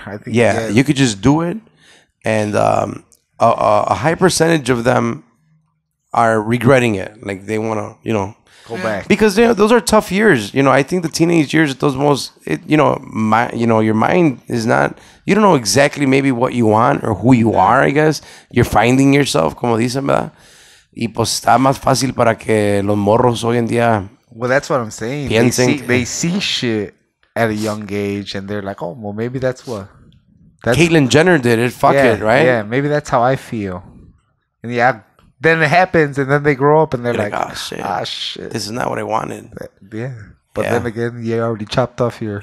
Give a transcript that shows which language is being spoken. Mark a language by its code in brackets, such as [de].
[en] Like, you could just do it, and a high percentage of them are regretting it. Like they want to, you know, go back, because you know, those are tough years. You know, I think the teenage years, those most, it, you know, my, you know, your mind is not, you don't know exactly maybe what you want or who you are. I guess you're finding yourself, [es] como dicen, ¿verdad? Y pues está más fácil para que los morros hoy en día. [en] Well, that's what I'm saying. They see shit at a young age and they're like, oh, well, maybe that's what Caitlyn Jenner did it. Right? Yeah. Maybe that's how I feel. And yeah, then it happens, and then they grow up, and they're like, oh, shit. This is not what I wanted. But then again, you already chopped off your...